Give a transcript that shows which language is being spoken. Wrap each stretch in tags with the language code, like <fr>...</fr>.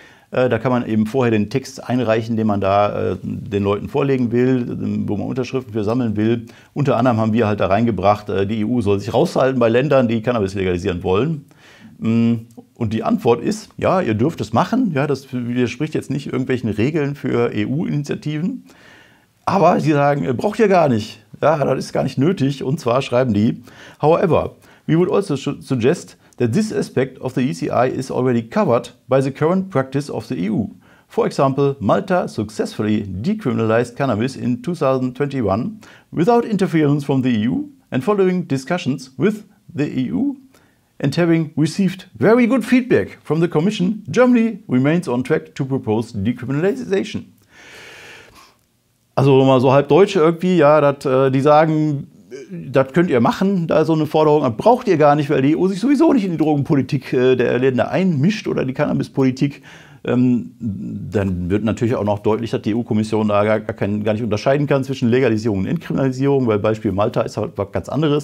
<de>Da kann man eben vorher den Text einreichen, den man da den Leuten vorlegen will, wo man Unterschriften für sammeln will. Unter anderem haben wir halt da reingebracht, die EU soll sich raushalten bei Ländern, die Cannabis legalisieren wollen. Und die Antwort ist, ja, ihr dürft es machen. Ja, das widerspricht jetzt nicht irgendwelchen Regeln für EU-Initiativen. Aber sie sagen, braucht ihr gar nicht. Ja, das ist gar nicht nötig. Und zwar schreiben die,</de> <en>however, we would also suggest that this aspect of the ECI is already covered by the current practice of the EU. For example, Malta successfully decriminalized cannabis in 2021 without interference from the EU and following discussions with the EU. And having received very good feedback from the Commission, Germany remains on track to propose decriminalization.</en> <de>Also nochmal so halb Deutsche irgendwie, ja, die sagen, das könnt ihr machen, da so eine Forderung, das braucht ihr gar nicht, weil die EU sich sowieso nicht in die Drogenpolitik der Länder einmischt oder die Cannabispolitik. dann wird natürlich auch noch deutlich, dass die EU-Kommission da gar nicht unterscheiden kann zwischen Legalisierung und Entkriminalisierung, weil Beispiel Malta ist halt was ganz anderes.</de>